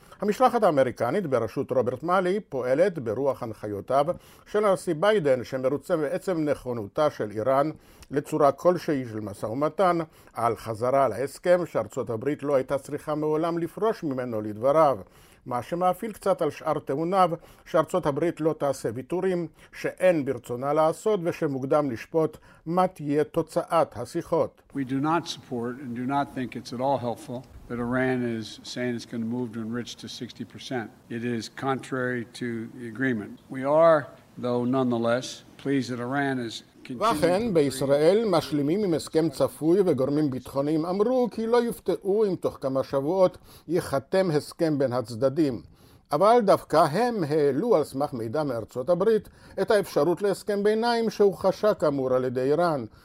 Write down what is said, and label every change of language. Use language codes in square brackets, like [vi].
[he] המשלחת האמריקנית בראשות רוברט מאלי פועלת ברוח הנחיותיו של הנשיא ביידן, שמרוצה בעצם נכונותה של איראן לצורה כלשהי של מסע ומתן על חזרה להסכם שארצות הברית לא הייתה צריכה מעולם לפרוש ממנו לדבריו. מה שמאפיל קצת על שאר תאוניו, שארצות הברית לא תעשה ויתורים, שאין ברצונה לעשות ושמוקדם לשפוט מה תהיה תוצאת השיחות. [en] We do not support and do not think it's at all helpful that Iran is saying it's going to move to enrich to 60%. It is contrary to the agreement. We are, though nonetheless, pleased that Iran is [he] ואכן, בישראל משלימים עם הסכם צפוי וגורמים ביטחוניים אמרו כי לא יופתעו אם תוך כמה שבועות ייחתם הסכם בין הצדדים. אבל דווקא הם העלו על סמך מידע מארצות הברית את האפשרות להסכם ביניים שהוחשה כאמור על ידי איראן.